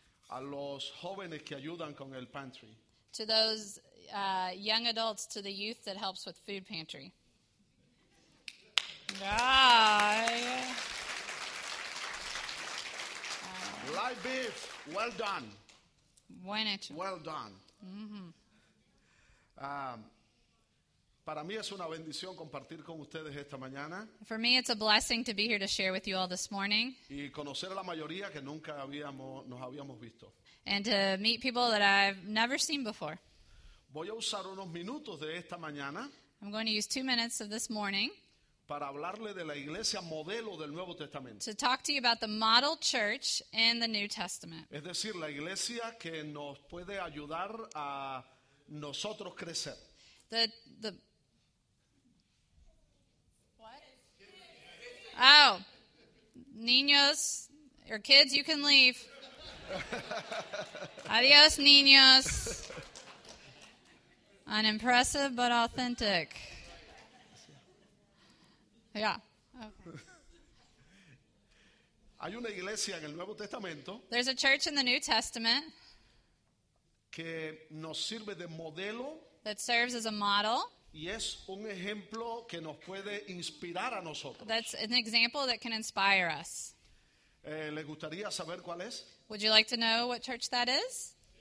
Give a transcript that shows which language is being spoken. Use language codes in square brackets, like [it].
[es] A los jóvenes que ayudan con el pantry. [en] To those young adults, to the youth that helps with food pantry. Live beef. Well done. [es] Buen hecho. [en] Well done. [es] Para mí es una bendición compartir con ustedes esta mañana. [en] For me, it's a blessing to be here to share with you all this morning. [es] Y conocer a la mayoría que nunca nos habíamos visto. [en] And to meet people that I've never seen before. [es] Voy a usar unos minutos de esta mañana. [en] I'm going to use 2 minutes of this morning. [es] Para hablarle de la iglesia modelo del Nuevo Testamento. [en] To talk to you about the model church in the New Testament. [es] Es decir, la iglesia que nos puede ayudar a nosotros crecer. [en] What? Oh, niños, or kids, you can leave. [es] Adios, niños. [en] Unimpressive but authentic. Yeah. Okay. [es] Hay una iglesia en el Nuevo Testamento. [en] There's a church in the New Testament. [es] Que nos sirve de modelo. [en] That serves as a model. [es] Y es un ejemplo que nos puede inspirar a nosotros. [en] That's an example that can inspire us. [es] ¿Les gustaría saber cuál es? [en] Would you like to know what church that is?